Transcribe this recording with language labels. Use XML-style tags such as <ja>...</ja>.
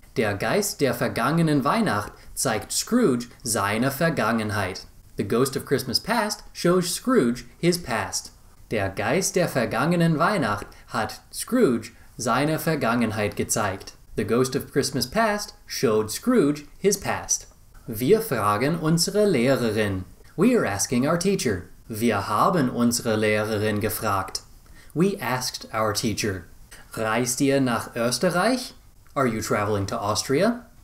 <de>Der Geist der vergangenen Weihnacht zeigt Scrooge seine Vergangenheit.</de> <en>The ghost of Christmas past shows Scrooge his past.</en> <de>Der Geist der vergangenen Weihnacht hat Scrooge seine Vergangenheit gezeigt.</de> <en>The ghost of Christmas past showed Scrooge his past.</en> <de>Wir fragen unsere Lehrerin.</de> <en>We are asking our teacher.</en> <de>Wir haben unsere Lehrerin gefragt.</de> <en>We asked our teacher.</en> <de>Reist ihr nach Österreich?</de> <en>Are you traveling to Austria?</en>